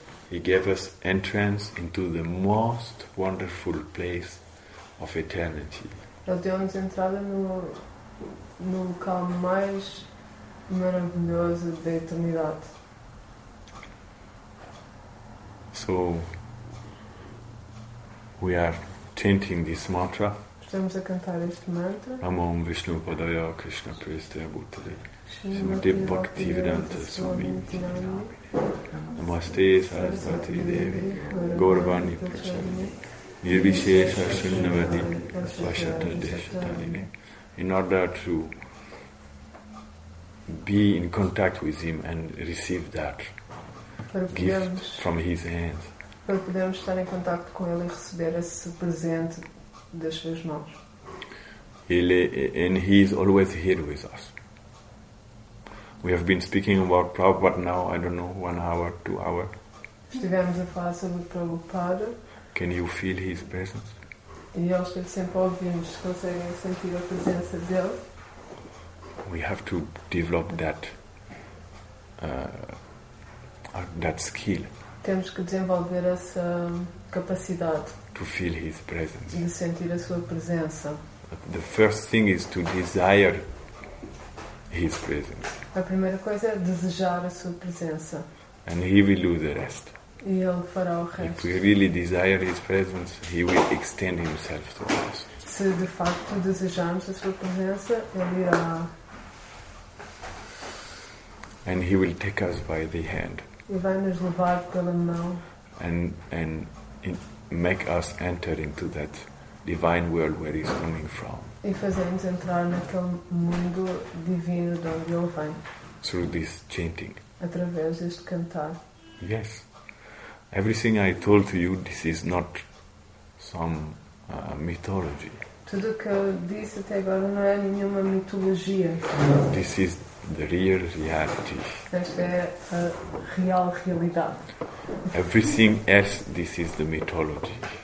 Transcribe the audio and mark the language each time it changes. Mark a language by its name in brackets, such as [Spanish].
[English] He gave us entrance into the most wonderful place of eternity. [Portuguese] Ele deu-nos entrada no local mais maravilhoso da eternidade. [English] So we are chanting this mantra. [Portuguese] Estamos a cantar este mantra. [Sanskrit] Amam Vishnu Padaya Krishna Pristaya Bhutale. Shrimati Bhaktivedanta Swami Namaste Sarasvati Devi Gaurvani Prachalini Nirvishesha Shunyavadi Svashata Deshatalini. [English] In order to be in contact with him and receive that gift from his hands. [Portuguese] Para podermos estar em contacto com ele e receber esse presente das suas mãos. [English] And he is always here with us. We have been speaking about Prabhupada now, I don't know, 1 hour, 2 hours. [Portuguese] Estivemos a falar sobre o Prabhupada. [English] Can you feel his presence? [Portuguese] E ele esteve sempre a ouvir-nos, conseguem sentir a presença dele. [English] We have to develop that skill. [Portuguese] Temos que desenvolver essa capacidade. [English] To feel his presence. [Portuguese] De sentir a sua presença. [English] The first thing is to desire his presence. [Portuguese] A primeira coisa é desejar a sua presença. [English] And he will do the rest. [Portuguese] E ele fará o resto. [English] If we really desire his presence, he will extend himself to us. [Portuguese] Se de facto desejarmos a sua presença, ele irá. [English] And he will take us by the hand. [Portuguese] E vai nos levar pela mão. [English] And make us enter into that divine world where he's coming from. [Portuguese] E fazemos entrar naquele mundo divino de onde ele vem. [English] Through this chanting. [Portuguese] Através deste cantar. [English] Yes. Everything I told to you, this is not some mythology. [Portuguese] Tudo o que eu disse até agora não é nenhuma mitologia. [English] This is the real reality. [Portuguese] Esta é a real realidade. [English] Everything else, this is the mythology.